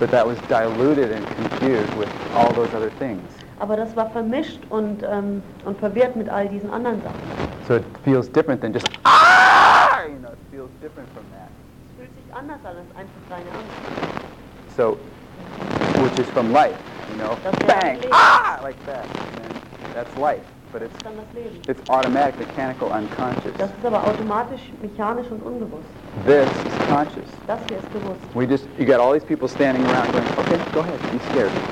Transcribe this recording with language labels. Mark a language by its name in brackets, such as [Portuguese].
[English] But that was diluted and confused with all those other things. [German] Aber das war vermischt und verwirrt mit all diesen anderen Sachen. [English] So it feels different than just, ah! You know, it feels different from that. [German] Es fühlt sich anders an als einfach deine Angst. [English] So, which is from life, you know, [German] das [English] bang, [German] Leben. [English] Ah, like that, and that's life, but it's, [German] das das Leben. [English] It's automatic, mechanical, unconscious. [German] Das ist aber automatisch, mechanisch und unbewusst. [English] This is conscious. [German] Das hier ist bewusst. [English] We just, you got all these people standing around going, okay, go ahead, be scared.